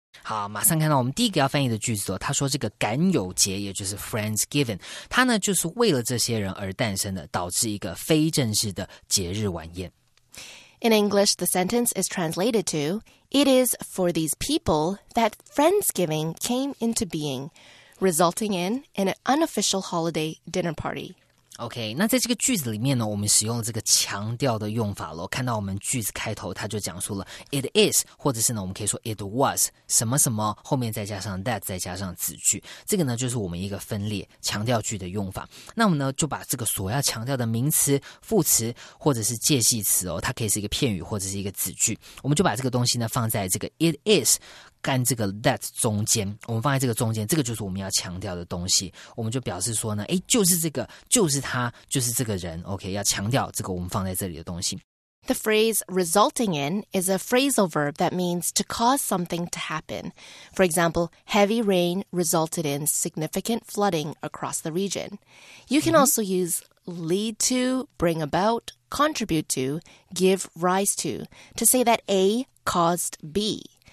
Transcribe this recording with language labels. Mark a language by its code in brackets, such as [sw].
[zh] 好，马上看到我们第一个要翻译的句子哦，他说这个感友节，也就是 Friendsgiving， 它呢就是为了这些人而诞生的，导致一个非正式的节日晚宴。 [en] In English, the sentence is translated to: It is for these people that Friendsgiving came into being, resulting in an unofficial holiday dinner party. [zh] OK， 那在这个句子里面呢，我们使用了这个强调的用法咯。看到我们句子开头，它就讲述了 [en] it is， [zh] 或者是呢，我们可以说 [en] it was [zh] 什么什么，后面再加上 that， 再加上子句。这个呢，就是我们一个分裂强调句的用法。那我们呢，就把这个所要强调的名词、副词或者是介系词哦，它可以是一个片语或者是一个子句，我们就把这个东西呢放在这个 it is。干这个 that 中间，我们放在这个中间，这个就是我们要强调的东西，我们就表示说呢，诶，就是这个，就是他，就是这个人， OK， 要强调这个我们放在这里的东西。 [en] The phrase resulting in is a phrasal verb that means to cause something to happen. For example, heavy rain resulted in significant flooding across the region. You can also use lead to, bring about, contribute to, give rise to say that A caused B.